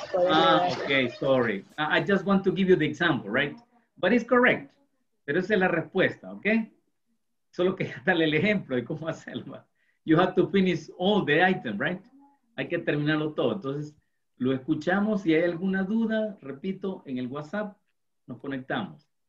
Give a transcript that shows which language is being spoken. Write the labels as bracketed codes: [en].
[en] Ah, okay, sorry. I just want to give you the example, right? But it's correct. [es] Pero esa es la respuesta, ¿ok? Solo que dale el ejemplo de cómo hacerlo. [en] You have to finish all the items, right? [es] Hay que terminarlo todo. Entonces, lo escuchamos. Si hay alguna duda, repito, en el WhatsApp, nos conectamos.